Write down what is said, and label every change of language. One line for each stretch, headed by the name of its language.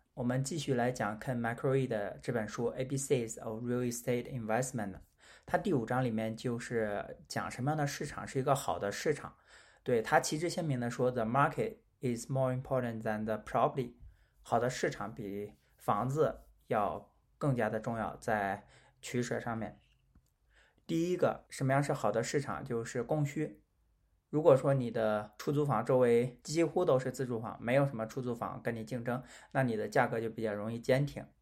Chinese: 我们继续来讲 Ken McCreary 的这本书《ABCs of Real Estate Investment》。它第五章里面就是讲什么样的市场是一个好的市场。对，它旗帜鲜明地说，"
English: The market is more important than the property。"
Chinese: 好的市场比房子要更加的重要，在取舍上面。第一个，什么样是好的市场？就是供需。如果说你的出租房周围几乎都是自住房，没有什么出租房跟你竞争，那你的价格就比较容易坚挺。